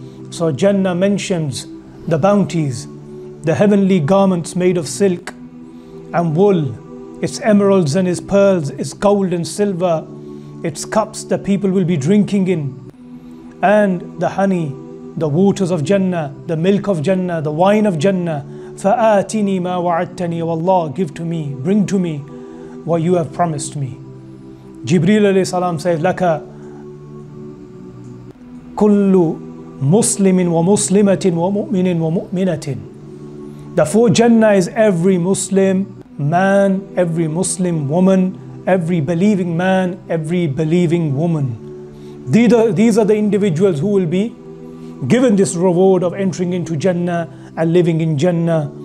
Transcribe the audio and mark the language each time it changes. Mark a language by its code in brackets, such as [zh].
[en] So Jannah mentions the bounties, the heavenly garments made of silk and wool, its emeralds and its pearls, its gold and silver, its cups that people will be drinking in, and the honey, the waters of Jannah, the milk of Jannah, the wine of Jannah. [ar] فَآتِنِي مَا وَعَدْتَنِي, [en] O Allah, give to me, bring to me what you have promised me. Jibreel alayhi salam says, [ar] لَكَ كُلُّ مُسْلِمٍ وَمُسْلِمَةٍ وَمُؤْمِنٍ وَمُؤْمِنَةٍ. [en] The four Jannah is every Muslim man, every Muslim woman, every believing man, every believing woman. These are the individuals who will be given this reward of entering into Jannah and living in Jannah.